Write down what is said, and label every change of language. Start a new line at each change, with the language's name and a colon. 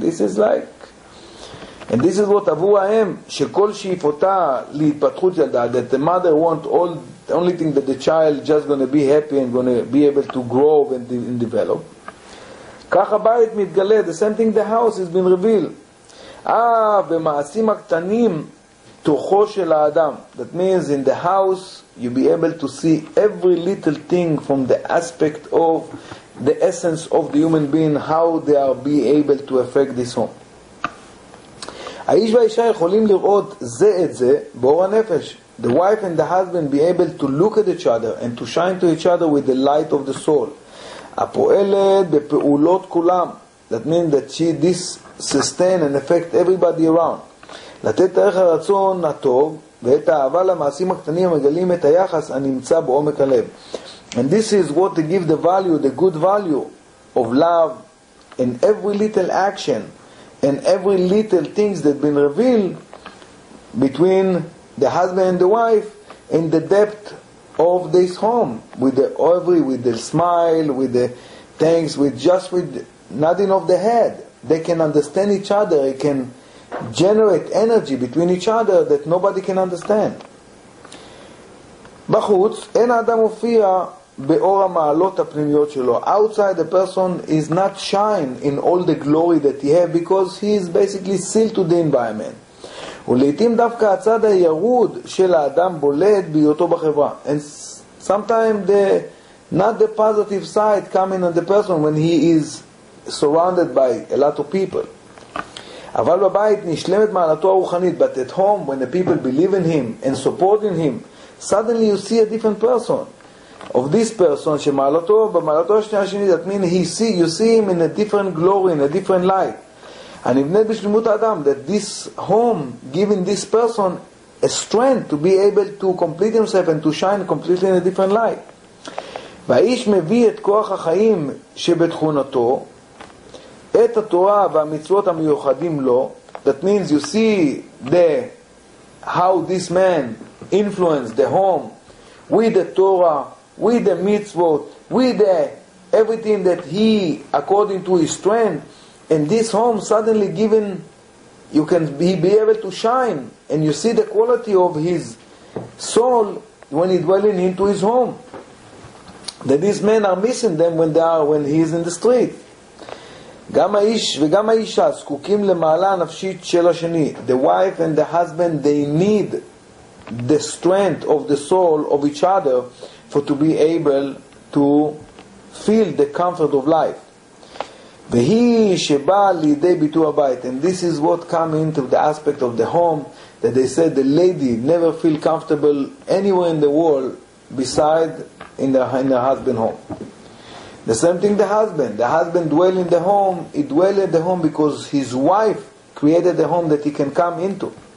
English: This is like, and this is what Avu Ha'em,
Hebrew: שכל שאיפותה להתפתחות ילדה,
English: that the mother wants all, the only thing that the child just going to be happy and going to be able to grow and develop.
Hebrew: כך הבית מתגלה,
English: the same thing the house has been revealed.
Hebrew: במעשים הקטנים, תוכו של האדם.
English: That means in the house, you'll be able to see every little thing from the aspect of the essence of the human being, how they are be able to affect this home.
Hebrew: האיש והאישה יכולים לראות זה את זה באור הנפש.
English: The wife and the husband be able to look at each other and to shine to each other with the light of the soul.
Hebrew: הפועלת בפעולות כולם.
English: That means that she this sustain and affect everybody around.
Hebrew: לתת תאריך הרצון הטוב ואת האהבה למעשים הקטנים מגלים את היחס הנמצא בעומק הלב.
English: And this is what they give the value, the good value of love in every little action. And every little things that been revealed between the husband and the wife in the depth of this home with the ovary, with the smile, with the thanks, with just with nodding of the head, they can understand each other. It can generate energy between each other that nobody can understand.
Hebrew: בחוץ אין אדם מופיע באור המעלות הפנימיות שלו.
English: Outside, the person is not shine in all the glory that he has because he is basically sealed to the environment.
Hebrew: ולעיתים דווקא הצד הירוד של האדם בולט ביותו בחברה.
English: And sometimes not the positive side coming on the person when he is surrounded by a lot of people.
Hebrew: אבל בבית נשלמת מעלתו הרוחנית.
English: But at home, when the people believe in him and support in him, suddenly you see a different person. Of this person,
Hebrew: שמעלתו, במעלתו השנייה השני,
English: that means he see, you see him in a different glory, in a different light.
Hebrew: הנבנית בשלמות האדם,
English: that this home, giving this person a strength to be able to complete himself and to shine completely in a different light.
Hebrew: והאיש מביא את כוח החיים שבתכונתו, את התורה והמצוות המיוחדים לו,
English: that means you see the, how this man influenced the home with the Torah, with the mitzvot, with the, everything that he, according to his strength, and this home suddenly given, you can be able to shine, and you see the quality of his soul when he dwelling into his home. That these men are missing them when he is in the street.
Hebrew: גם האיש וגם האישה זקוקים למעלה הנפשית של השני.
English: The wife and the husband, they need the strength of the soul of each other for to be able to feel the comfort of life.
Hebrew: והיא שבאה לידי ביטוי הבית.
English: And this is what come into the aspect of the home, that they said the lady never feel comfortable anywhere in the world beside in the husband home. The same thing the husband. The husband dwell in the home. He dwell in the home because his wife created the home that he can come into.